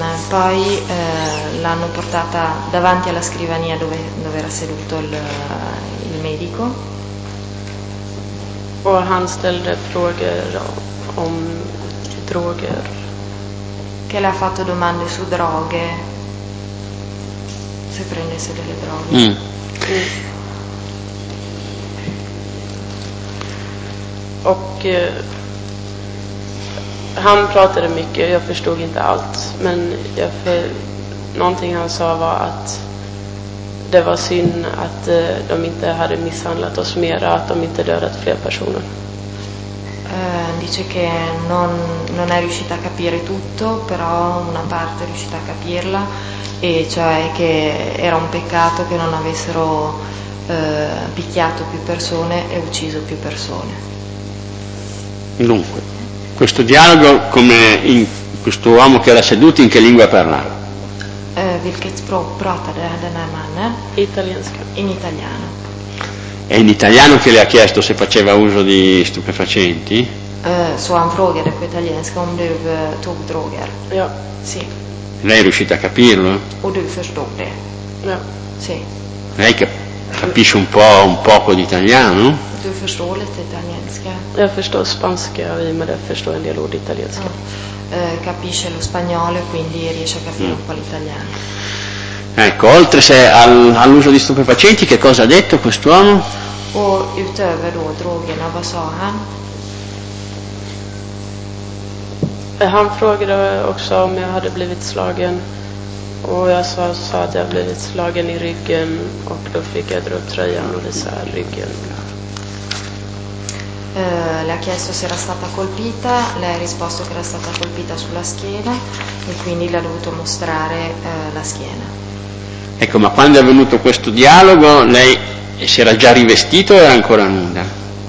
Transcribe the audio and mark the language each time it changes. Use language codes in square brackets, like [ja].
[it] Poi l'hanno portata davanti alla scrivania dove era seduto il medico. [sv] Och han ställde frågor om droger. [it] Che le ha fatto domande su droghe. Se prendesse delle droghe. Mm. [sv] Och han pratade mycket, jag förstod inte allt, men någonting han sa var att det var synd att de inte hade misshandlat oss mera, att de inte dödat fler personer. [it] Dice che non è riuscita a capire tutto, però una parte è riuscita a capirla, e cioè che era un peccato che non avessero picchiato più persone e ucciso più persone. Dunque, questo dialogo, come in questo uomo che era seduto, in che lingua parlava? [sv] Vilket språk pratade den här mannen? Italienska. [it] In italiano. È in italiano che le ha chiesto se faceva uso di stupefacenti? [sv] Så han frågade på italienska om du tog droger. Ja. [it] Sì. Lei è riuscita a capirlo? [sv] Och du förstod det. Ja. [it] Sì. Lei capisce un poco di italiano? [sv] Du förstår lite italienska. Jag förstår spanska, och i och med det förstår en del ord italienska. [it] Capisce lo spagnolo, quindi riesce a capire un po' l'italiano. Ecco, oltre se all'uso di stupefacenti, che cosa ha detto quest'uomo? [sv] O utöver då drogerna, vad sa han? Han frågade också om jag hade blivit slagen. Och jag sa att jag blivit slagen i ryggen. Och då fick jag dra upp tröjan och visa ryggen. [it] Le ha chiesto se era stata colpita. Le ha risposto che era stata colpita sulla schiena. E quindi le ha dovuto mostrare la schiena. Ecco, ma quando è venuto questo dialogo, lei si era già rivestito o era ancora nuda?